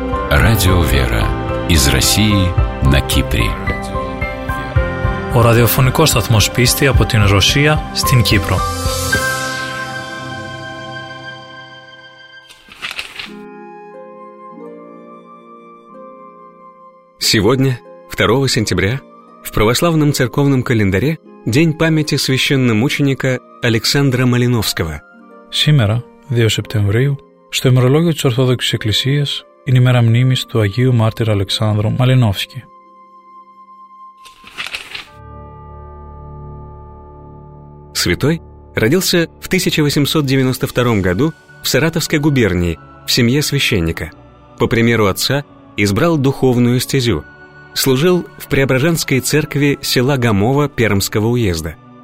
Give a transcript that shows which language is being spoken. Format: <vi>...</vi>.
<ru>Радио «Вера» из России на Кипре.</ru> <el>Ο ραδιοφωνικός σταθμός πίστη από την Ρωσία στην Κύπρο.</el> <ru>Сегодня, 2 сентября, в православном церковном календаре день памяти священномученика Александра Малиновского. Сегодня, 2 сентября,</ru> <el>στο ημερολόγιο της Ορθόδοξης Εκκλησίας, είναι η μέρα μνήμης του Αγίου Μάρτυρα Αλεξάνδρου Μαλινόφσκη.</el> <ru>Святой родился в 1892 году в Саратовской губернии в семье священника. По примеру отца избрал духовную стезю. Служил в Преображенской церкви села Гамова Пермского уезда.</ru>